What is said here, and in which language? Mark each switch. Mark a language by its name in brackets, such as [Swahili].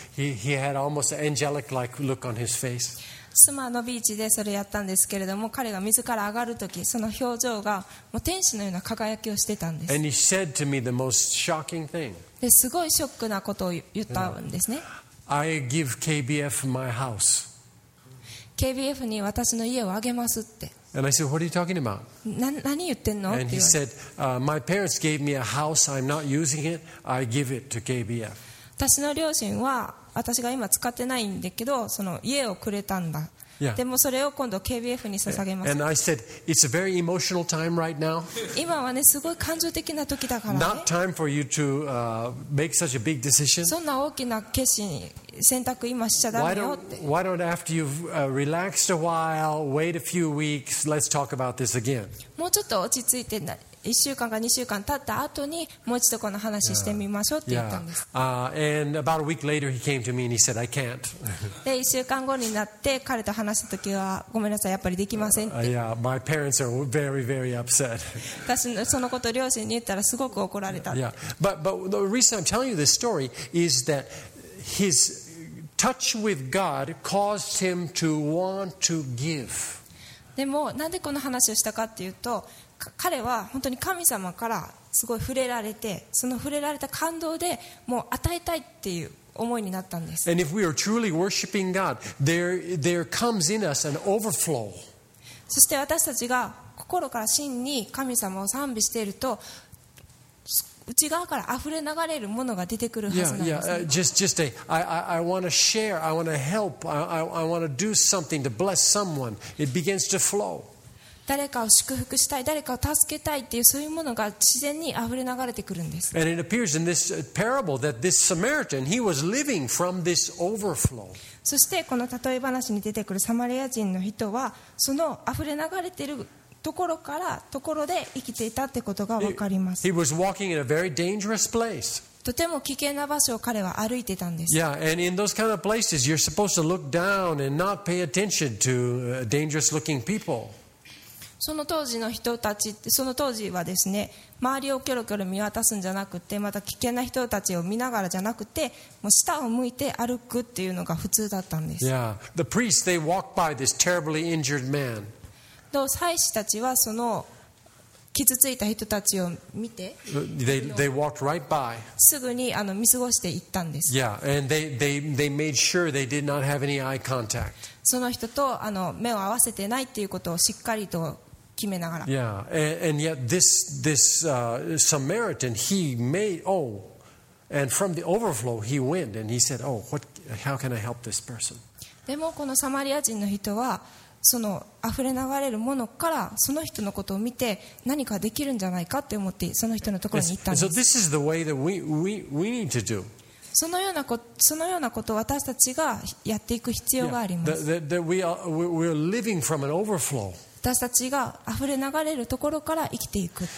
[English] He had almost angelic-like look on his face. [Japanese] Sima のビーチでそれやったんですけれども、彼が水から上がるとき、その表情がもう天使のような輝きをしてたんです。 [English] And he said to me the most shocking thing. [Japanese] で、すごいショックなことを言ったんですね。 [English] I give KBF my house. [Japanese] KBF に私の家をあげますって。 [English] And I said, "What are you talking about?" [Japanese] 何言ってんの? [English] And he said, "My parents gave me a house. I'm not using it. I give it to KBF." [Japanese] 私の両親は私が今使ってないんだけど、その家をくれたんだ。 [English] Yeah. [Japanese] でもそれを今度 KBF に捧げます。 [English] And I said, "It's a very emotional time right now." [Japanese] 今はね、すごい感情的な時だからね。 [English] Not time for you to make such a big decision. [Japanese] そんな大きな決心。選択今しちゃダメよって。 [English] Why don't after you've relaxed a while, wait a few weeks, let's talk about this again. [Japanese] もうちょっと落ち着いて1週間か2週間経った後にもう一度この話してみましょうって言ったんです。 [English] Yeah. And about a week later, he came to me and he said, "I can't." [Japanese] で1週間後になって彼と話した時はごめんなさいやっぱりできませんって。 [English] Yeah, my parents are very, very upset. [Japanese] 私そのこと両親に言ったらすごく怒られた。 [English] Yeah, but the reason I'm telling you this story is that. His touch with God caused him to want to give. [Japanese] でもなんでこの話をしたかっていうと、彼は本当に神様からすごい触れられて、その触れられた感動でもう与えたいっていう思いになったんです。 [English] And if we are truly worshiping God, there comes in us an overflow. [Japanese] そして私たちが心から真に神様を賛美していると。内側から溢れ流れるものが出てくるはずなんです。 [English] Yeah, yeah. Just a, I want to share, I want to help, I want to do something to bless someone. It begins to flow. [Japanese] 誰かを祝福したい、誰かを助けたいっていうそういうものが自然に溢れ流れてくるんです。 [English] And it appears in this parable that this Samaritan, he was living from this overflow. [Japanese] そしてこの例え話に出てくるサマリア人の人はその溢れ流れてるところからところで生きていたってことがわかります。 [English] He was walking in a very dangerous place. [Japanese] とても危険な場所を彼は歩いてたんです。 [English] Yeah, and in those kind of places, you're supposed to look down and not pay attention to dangerous looking people. [Japanese] その当時の人たち、その当時はですね、周りをキョロキョロ見渡すんじゃなくて、また危険な人たちを見ながらじゃなくて、もう下を向いて歩くっていうのが普通だったんです。 [English] Yeah, the priests, they walked by this terribly injured man. [Japanese] 祭司たちはその傷ついた人たちを見て、 [English] they walked right by. [Japanese] すぐに見過ごしていったんです。 [English] Yeah, and they made sure they did not have any eye contact. [Japanese] その人と目を合わせてないっていうことをしっかりと決めながら。 [English] Yeah, and yet this Samaritan, he made, oh, and from the overflow, he went and he said, "Oh, what? How can I help this person?" [Japanese] でもこのサマリア人の人は。その溢れ流れるものからその人のことを見て何かできるんじゃないかって思ってその人のところに行ったんです。 [English] So this is the way that we need to do. [Japanese] そのようなこと私たちがやっていく必要があります。 [English] Yeah. We are living from an overflow. [Japanese] 私たちが溢れ流れるところから生きていく。